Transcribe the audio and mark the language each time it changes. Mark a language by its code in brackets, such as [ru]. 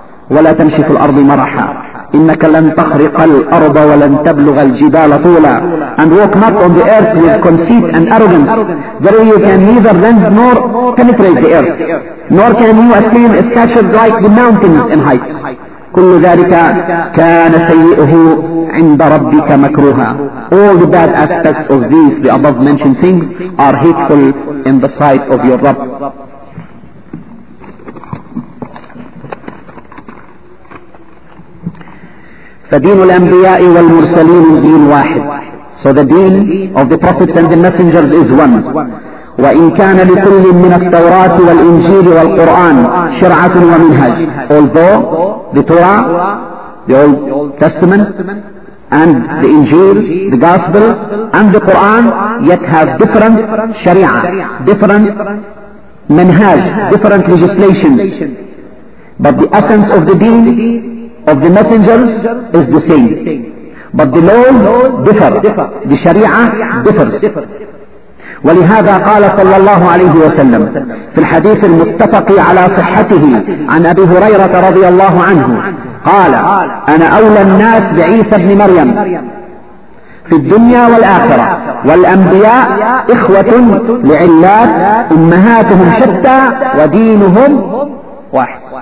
[ar] وَلَا تَمْشِي فِي الْأَرْضِ مَرَحًا إِنَّكَ لَنْ تَخْرِقَ الْأَرْضَ وَلَنْ تَبْلُغَ الْجِبَالَ طُولًا. [en] And walk not on the earth with conceit and arrogance. Verily you can neither rend nor penetrate the earth, nor can you attain a stature like the mountains in height. [ar] كل ذلك كان سيئه عند ربك مكروها. [en] All the bad aspects of these, the above mentioned things, are hateful in the sight of your Rabb. [ar] فدين الأنبياء والمرسلين دين واحد. [en] So the deen of the prophets and the messengers is one. [ar] وَإِنْ كَانَ لِكُلِّ مِّنَ التَّوْرَاةِ وَالْإِنْجِيلِ وَالْقُرْآنِ شِرْعَةٌ وَمِنْهَجٌ. [en] Although the Torah, the Old Testament, and the Injil, the Gospel, and the Quran, yet have different sharia, different manhaj, different legislations. But the essence of the deen, of the messengers, is the same. But the laws differ, the sharia differs. [ar] ولهذا قال صلى الله عليه وسلم في الحديث المتفق على صحته عن أبي هريرة رضي الله عنه قال أنا أولى الناس بعيسى بن مريم في الدنيا والآخرة والأنبياء إخوة لعلات أمهاتهم شتى ودينهم واحد.